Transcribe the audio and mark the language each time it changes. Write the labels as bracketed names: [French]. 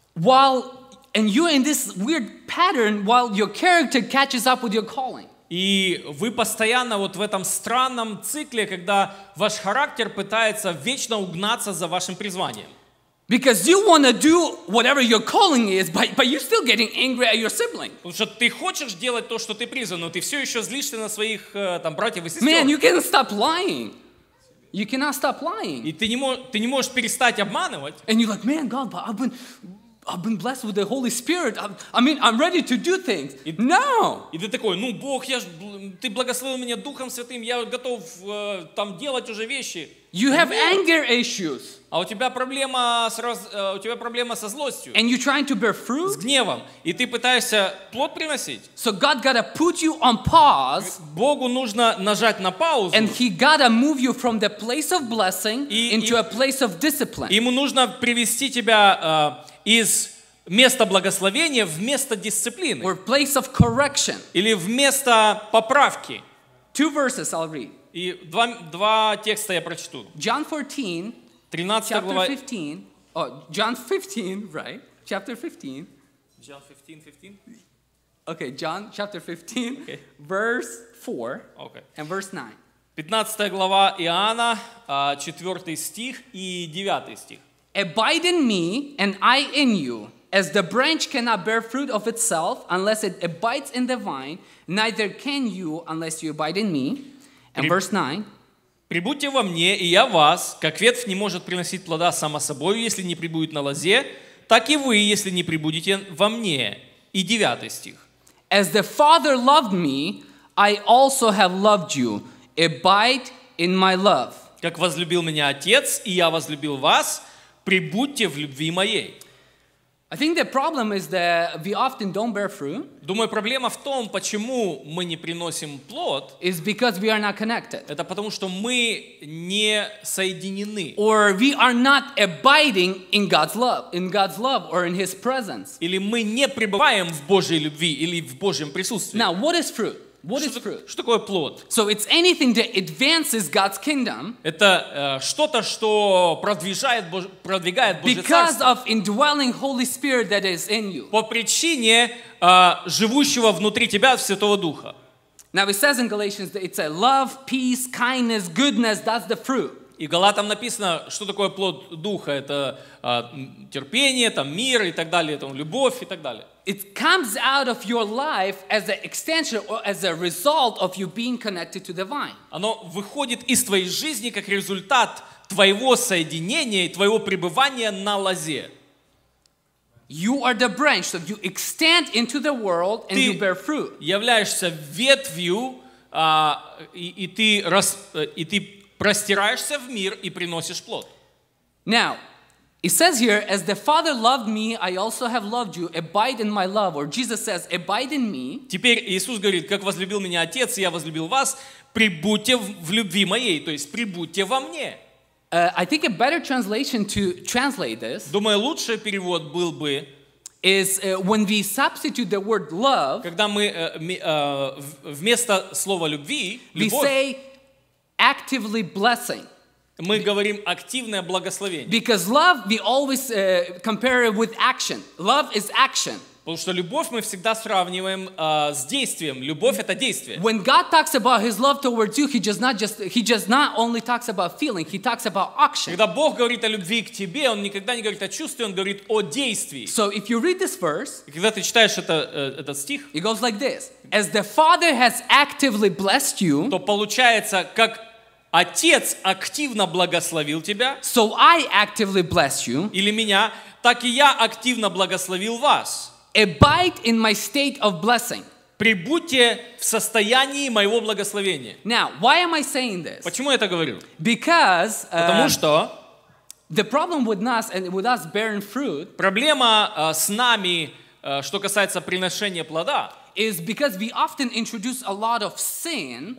[English] While and you in this weird pattern, while your character catches up with your calling. [Russian] И вы постоянно вот в этом странном цикле, когда ваш характер пытается вечно угнаться за вашим призванием. [English] Because you want to do whatever your calling is, but you're still getting angry at your sibling. [Russian] Потому что ты хочешь делать то, что ты призван, но ты все еще злишься на своих там братьев и сестер. [English] Man, you can't stop lying. You cannot stop lying. [Russian] И ты не можешь перестать обманывать. [English] And you're like, man, God, but I've been blessed with the Holy Spirit. I'm ready to do things. No. [Russian] И ты такой, ну Бог, ты благословил меня Духом Святым, я готов там делать уже вещи. [English] You have anger issues. [Russian] А у тебя проблема со злостью. [English] And you're trying to bear fruit. [Russian] С гневом. И ты пытаешься плод приносить. [English] So God gotta put you on pause. [Russian] Богу нужно нажать на паузу. [English] And He gotta move you from the place of blessing into a place of discipline. [Russian] Ему нужно привести тебя из места благословения в место дисциплины. [English] Or place of correction. [Russian] Или в место поправки. [English] Two verses I'll read. [Russian] И два текста я прочту. [English] John 14, 13 chapter [Russian] глава... [English] 15. Oh, John 15, right? Chapter 15. John 15, 15? Okay, John chapter 15, okay. Verse 4 okay. And verse 9. [Russian] 15 глава Иоанна, 4 стих и 9 стих. [English] Abide in me, and I in you. As the branch cannot bear fruit of itself unless it abides in the vine, neither can you unless you abide in me. And verse 9. [Russian] Прибудьте во мне, и я в вас. Как ветвь не может приносить плода сама собою, если не прибудет на лозе, так и вы, если не прибудете во мне. И 9 стих. [English] As the Father loved me, I also have loved you. Abide in my love. [Russian] Как возлюбил меня Отец, и я возлюбил вас. Прибудьте в любви моей. [English] I think the problem is that we often don't bear fruit. [Russian] Думаю, проблема в том, почему мы не приносим плод. [English] Is because we are not connected. [Russian] Это потому, что мы не соединены. [English] Or we are not abiding in God's love or in His presence. [Russian] Или мы не пребываем в Божьей любви или в Божьем присутствии. [English] Now, what is fruit? What is fruit? [Russian] Что такое плод? [English] So it's anything that advances God's kingdom. [Russian] Это что-то, что продвигает Божье царство. [English] Because of indwelling Holy Spirit that is in you. [Russian] По причине живущего внутри тебя Святого Духа. [English] Now it says in Galatians that it's a love, peace, kindness, goodness. That's the fruit. [Russian] И Галатам написано, что такое плод Духа. Это терпение, там, мир и так далее, там, любовь и так далее. [English] It comes out of your life as an extension or as a result of you being connected to the vine. [Russian] Оно выходит из твоей жизни как результат твоего соединения и твоего пребывания на лозе. [English] You are the branch, so you extend into the world and you bear fruit. [Russian] Ты являешься ветвью, и ты простираешься в мир и приносишь плод. [English] Now, it says here, as the Father loved me, I also have loved you. Abide in my love. Or Jesus says, abide in me. [Russian] Теперь Иисус говорит, как возлюбил меня Отец, и я возлюбил вас, прибудьте в любви моей, то есть прибудьте во мне. [English] I think a better translation to translate this, [Russian] думаю, лучший перевод был бы, [English] is when we substitute the word love, [Russian] когда мы вместо слова любви, любовь, [English] we say actively blessing. [Russian] Мы говорим активное благословение. [English] Because love, we always compare it with action. Love is action. [Russian] Потому что любовь мы всегда сравниваем с действием. Любовь — это действие. [English] When God talks about His love towards you, He just not only talks about feeling, He talks about action. [Russian] Когда Бог говорит о любви к тебе, Он никогда не говорит о чувстве, Он говорит о действии. [English] So if you read this verse, [Russian] когда ты читаешь этот стих, [English] it goes like this: As the Father has actively blessed you, [Russian] то получается, как Отец активно благословил тебя. [English] So I actively bless you. [Russian] Или меня, так и я активно благословил вас. [English] Abide in my state of blessing. [Russian] Прибудьте в состоянии моего благословения. [English] Now, why am I saying this? [Russian] Почему я это говорю? [English] Because, [Russian] потому что [English] the problem with us and with us bearing fruit, [Russian] проблема с нами, что касается приношения плода, [English] is because we often introduce a lot of sin.